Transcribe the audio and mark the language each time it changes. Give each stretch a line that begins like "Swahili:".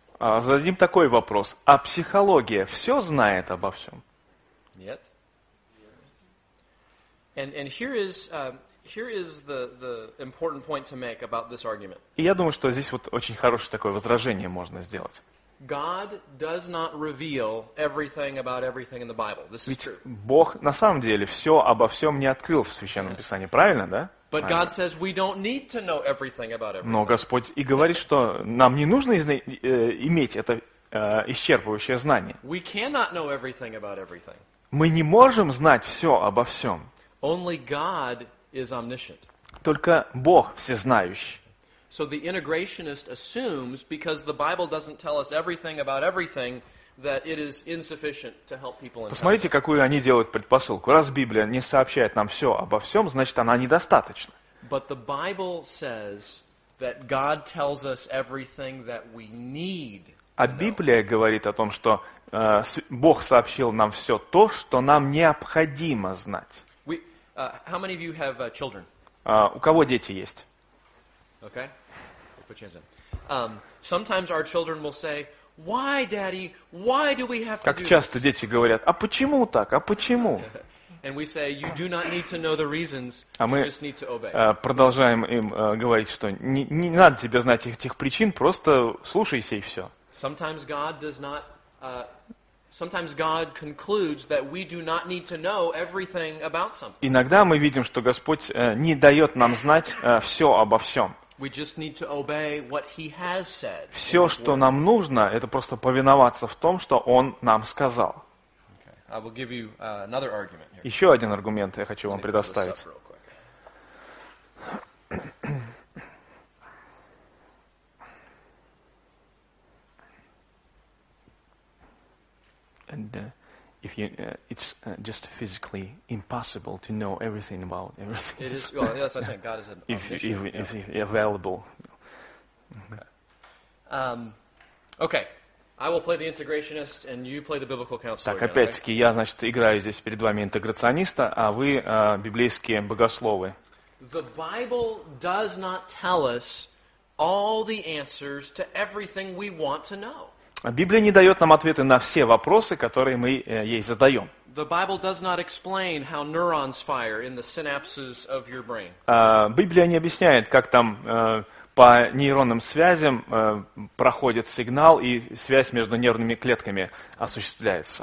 Russian: Зададим такой вопрос: а психология все знает обо всем? Нет.
English: And here is the important point to make about this argument.
Russian: И я думаю, что здесь вот очень хорошее такое возражение можно сделать.
English: God does not reveal everything about everything in the Bible. This is
Russian: Ведь
English: true.
Russian: Бог на самом деле все обо всем не открыл в Священном Писании, правильно, да?
English: But
Russian: правильно.
English: God says we don't need to know everything about everything.
Russian: Но Господь и говорит, что нам не нужно иметь это исчерпывающее знание.
English: We cannot know everything about everything.
Russian: Мы не можем знать все обо всем.
English: Only God is omniscient.
Russian: Только Бог всезнающий.
English: So the integrationist assumes because the Bible doesn't tell us everything about everything that it is insufficient to help people in time.
Russian: Посмотрите, какую они делают предпосылку. Раз Библия не сообщает нам все обо всем, значит, она недостаточна.
English: But the Bible says that God tells us everything that we need.
Russian: А Библия говорит о том, что Бог сообщил нам все то, что нам необходимо знать.
English: How many of you have children?
Russian: У кого дети есть?
English: Okay, we'll put your hands in. Sometimes our children will say, "Why, Daddy? Why do we have to?"
Russian: Как часто дети говорят, а почему так, а почему?
English: And we say, "You do not need to know the reasons. You just need to obey."
Russian: А мы продолжаем им говорить, что не надо тебе знать этих причин, просто слушайся и все.
English: Sometimes God does not. Sometimes God concludes that we do not need to know everything about something.
Russian: Иногда мы видим, что Господь не дает нам знать все обо всем.
English: We just need to obey what He has said.
Russian: Все, что нам нужно, это просто повиноваться в том, что Он нам сказал.
English: Okay. I will give you another argument here.
Russian: Еще один аргумент я хочу вам предоставить.
English: And if you, it's just physically impossible to know everything about everything. It is, well, that's what I'm saying. God is an if available. Okay. I will play the integrationist and you play the biblical counselor.
Russian: Так, опять-таки, я, значит, играю здесь перед вами интеграциониста, а вы библейские богословы.
English: The Bible does not tell us all the answers to everything we want to know.
Russian: Библия не дает нам ответы на все вопросы, которые мы ей задаем. Библия не объясняет, как там по нейронным связям проходит сигнал и связь между нервными клетками осуществляется.